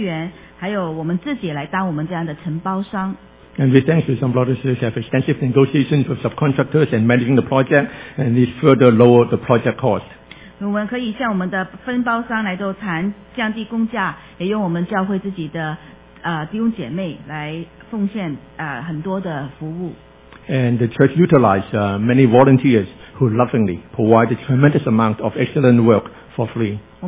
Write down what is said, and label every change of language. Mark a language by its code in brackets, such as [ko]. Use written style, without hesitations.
[zh] 我们而且整个建筑的费用也有大幅度的调整，因为我们可以用更好的一些的计划，还有用我们的教会的自己的资源，还有我们自己来当我们这样的承包商。 [en] And we thank some brothers who have extensive negotiations with subcontractors and managing the project, and this further lowered the project cost. [zh] 我们可以向我们的分包商来都谈降低工价，也用我们教会自己的弟兄姐妹来奉献很多的服务。 [en] And the church utilized many volunteers who lovingly provided a tremendous amount of excellent work for free.